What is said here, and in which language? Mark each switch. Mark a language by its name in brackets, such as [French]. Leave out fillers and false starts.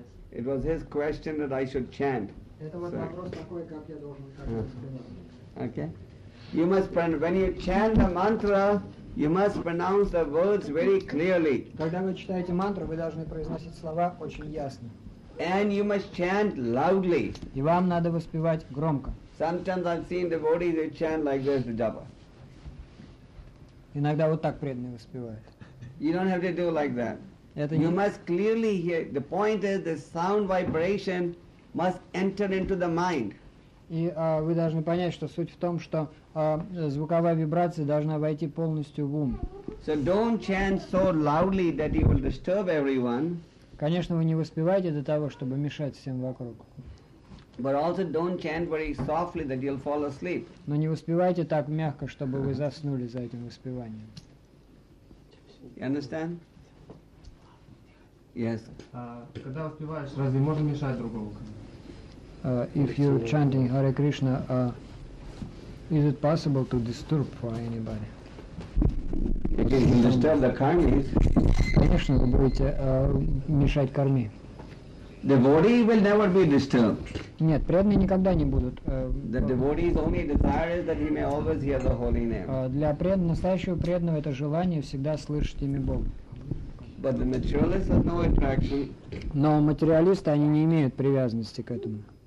[English] It was his question that I should chant. Okay. You must pronounce, when you chant the mantra, you must pronounce the words very clearly. [Russian] Когда вы читаете мантру, вы должны произносить слова очень ясно. [English] And you must chant loudly. [Russian] И вам надо воспевать громко. [English] Sometimes I've seen devotees who chant like this, the japa. [Russian] Иногда вот так преданные воспевают. [English] You don't have to do like that. [Russian] Это [English] you [Russian] не... [English] must clearly hear, the point is, the sound vibration must enter into the mind. [Russian] И вы должны понять, что суть в том, что звуковая вибрация должна войти полностью в ум. [English] So don't chant so loudly that you will disturb everyone. [Russian] Конечно, вы не воспеваете до того, чтобы мешать всем вокруг. [English] But also don't chant very softly that you'll fall asleep. [Russian] Но не воспевайте так мягко, чтобы вы заснули за этим воспеванием. [English] You understand? Yes. [Russian] Когда воспеваешь, разве можно мешать другому? [English] If you're chanting Hare Krishna, is it possible to disturb for anybody? You can disturb the karmis. [Russian] Конечно, вы будете мешать карме. [English] Devotee will never be disturbed. [Russian] Нет, преданные никогда не будут. [English] The devotee's only desire is that he may always hear the holy name. [Russian] Для настоящего преданного это желание всегда слышать имя Бога. [English] But the materialists have no attraction. [Russian] Но материалисты, они не имеют привязанности к этому.